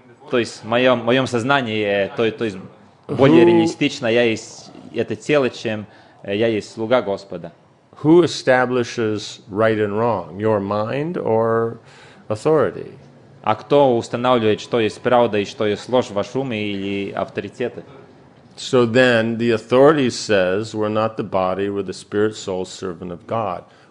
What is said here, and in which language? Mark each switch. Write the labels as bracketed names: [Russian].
[Russian] То есть в моем сознании, то есть более реалистично я есть это тело, чем я есть слуга Господа. [English] Who establishes right and wrong, your mind or authority? [Russian] А кто устанавливает, что есть правда и что есть ложь, ваш ум или авторитеты? [English] So then, the authority says, "We're not the body; we're the spirit, soul, servant of God."